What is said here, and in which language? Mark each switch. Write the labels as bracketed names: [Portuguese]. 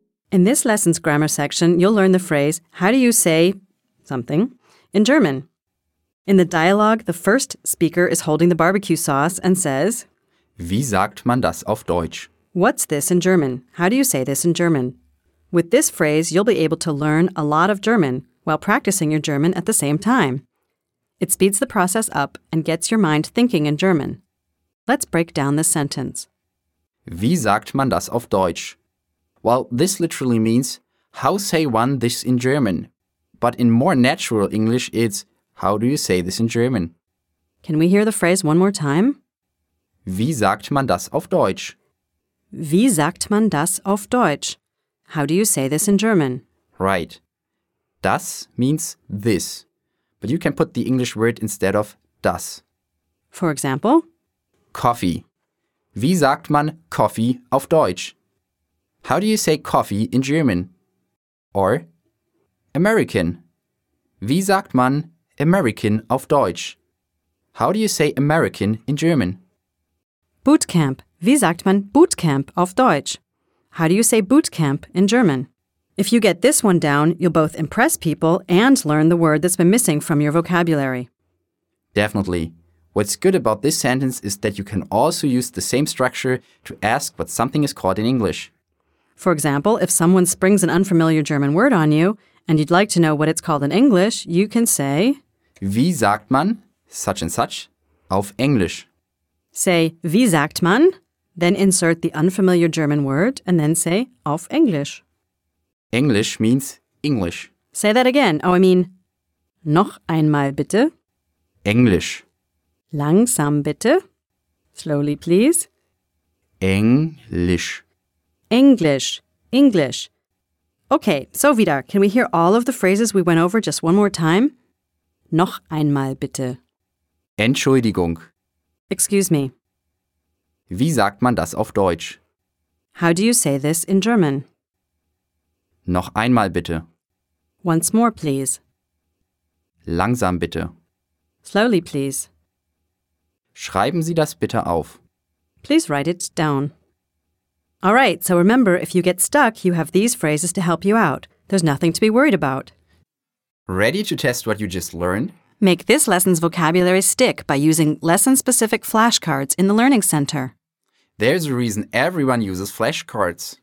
[English] In this lesson's grammar section, you'll learn the phrase, how do you say something in German? In the dialogue, the first speaker is holding the barbecue sauce and says, [German] Wie sagt man das auf Deutsch? [English] What's this in German? How do you say this in German? With this phrase, you'll be able to learn a lot of German while practicing your German at the same time. It speeds the process up and gets your mind thinking in German. Let's break down this sentence. [German] Wie sagt man das auf Deutsch? [English] Well, this literally means, how say one this in German? But in more natural English, it's, how do you say this in German? Can we hear the phrase one more time? [German] Wie sagt man das auf Deutsch? Wie sagt man das auf Deutsch? [English] How do you say this in German? Right. Das means this. But you can put the English word instead of das. For example? Coffee. [German] Wie sagt man Coffee auf Deutsch? [English] How do you say coffee in German? Or American. [German] Wie sagt man American auf Deutsch? [English] How do you say American in German? Bootcamp. [German] Wie sagt man Bootcamp auf Deutsch? [English] How do you say Bootcamp in German? If you get this one down, you'll both impress people and learn the word that's been missing from your vocabulary. Definitely. What's good about this sentence is that you can also use the same structure to ask what something is called in English. For example, if someone springs an unfamiliar German word on you and you'd like to know what it's called in English, you can say, [German] Wie sagt man [English] such and such [German] auf Englisch? [English] Say, [German] wie sagt man? [English] Then insert the unfamiliar German word and then say, auf Englisch. Englisch means English. Say that again. Oh, I mean, [German] noch einmal bitte. Englisch. Langsam bitte. [English] Slowly, please. [German] Englisch. [English] English. English. Okay, so Vidar, can we hear all of the phrases we went over just one more time? [German] Noch einmal bitte. Entschuldigung. [English] Excuse me. [German] Wie sagt man das auf Deutsch? [English] How do you say this in German? [German] Noch einmal bitte. [English] Once more, please. [German] Langsam bitte. [English] Slowly, please. [German] Schreiben Sie das bitte auf. [English] Please write it down. All right, so remember, if you get stuck, you have these phrases to help you out. There's nothing to be worried about. Ready to test what you just learned? Make this lesson's vocabulary stick by using lesson-specific flashcards in the Learning Center. There's a reason everyone uses flashcards.